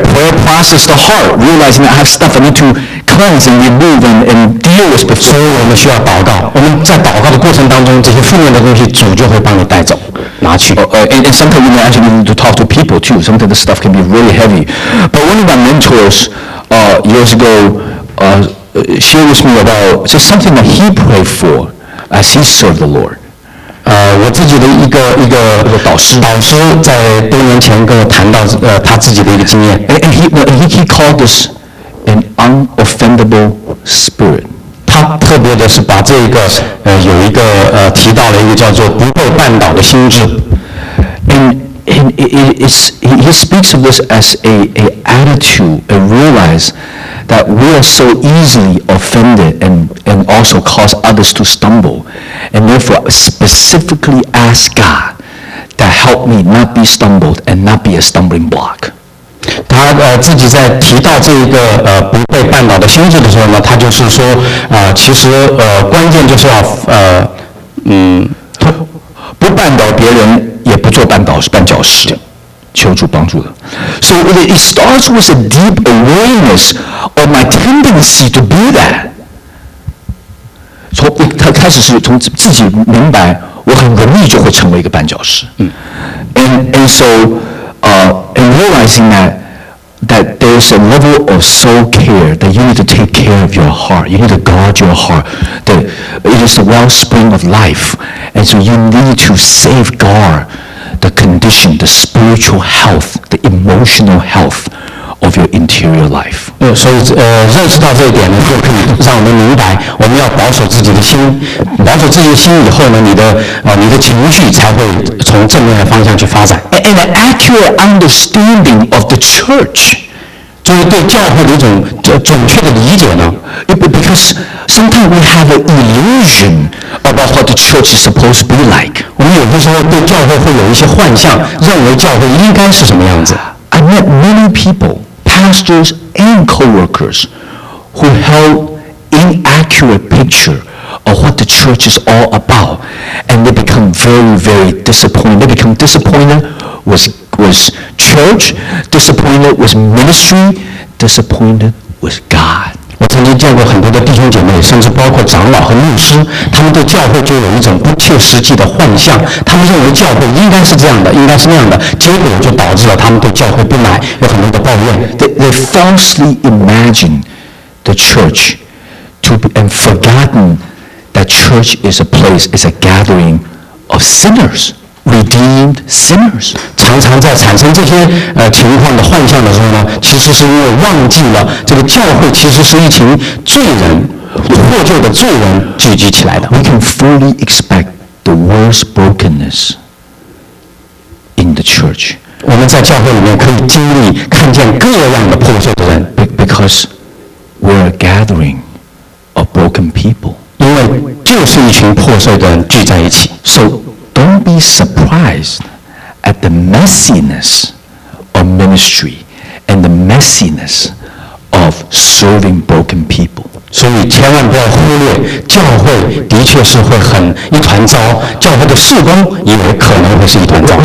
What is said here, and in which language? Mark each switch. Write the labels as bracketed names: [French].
[English] Prayer processes the heart, realizing that I have stuff I need to cleanse and remove and deal with. Before. [Chinese] 所以我们需要祷告。我们在祷告的过程当中，这些负面的东西，主就会帮你带走。拿去 [English] and sometimes you may actually need to talk to people too. Sometimes the stuff can be really heavy. But one of my mentors, years ago, shared with me about so something that he prayed for as he served the Lord. [Chinese] 我自己的一个导师在多年前跟我谈到他自己的一个经验 [English] and he called this an unoffendable spirit. [Chinese] 他特别的是把这个有一个提到了一个叫做不被绊倒的心智。 [English] And he speaks of this as an attitude, a realize that we are so easily offended and also cause others to stumble. And therefore, specifically ask God to help me not be stumbled and not be a stumbling block. [Chinese] 他自己在提到这一个不被绊倒的心智的时候呢，他就是说其实关键就是要不绊倒别人，也不做绊倒绊脚石，求助帮助的。 [English] So it starts with a deep awareness of my tendency to be that. [Chinese] 从一开始是从自己明白，我很容易就会成为一个绊脚石。 [English] And so, and realizing that there's a level of soul care that you need to take care of your heart. You need to guard your heart. That it is a wellspring of life, and so you need to safeguard. The condition, the spiritual health, the emotional health of your interior life. [Chinese] 所以认识到这一点呢，就可以让我们明白，我们要保守自己的心，保守自己的心以后呢，你的情绪才会从正面的方向去发展。 [English] And an accurate understanding of the church, [Chinese] 就是对教会的一种准确的理解呢。 [English] Because sometimes we have an illusion. About what the church is supposed to be like. [Chinese] 我们有的时候对教会会有一些幻象，认为教会应该是什么样子。 [English] I met many people, pastors and co-workers, who held inaccurate picture of what the church is all about, and they become very, very disappointed. They become disappointed with church, disappointed with ministry, disappointed with God. [Chinese] 我曾经见过很多的弟兄姐妹，甚至包括长老和牧师，他们对教会就有一种不切实际的幻象。他们认为教会应该是这样的，应该是那样的，结果就导致了他们对教会不满，有很多的抱怨。 [English] They falsely imagine the church to be and forgotten that church is a place, is a gathering of sinners. Redeemed sinners, [Chinese] 常常在产生这些情况的幻象的时候呢，其实是因为忘记了这个教会其实是一群罪人，获救的罪人聚集起来的。 [English] We can fully expect the worst brokenness in the church. [Chinese] 我们在教会里面可以经历看见各样的破碎的人 [English] ，because we are a gathering of broken people. [Chinese] 因为就是一群破碎的人聚在一起 [English] ，so. Don't be surprised at the messiness of ministry and the messiness of serving broken people. [Chinese] 所以千万不要忽略，教会的确是会很一团糟，教会的事工也可能会是一团糟。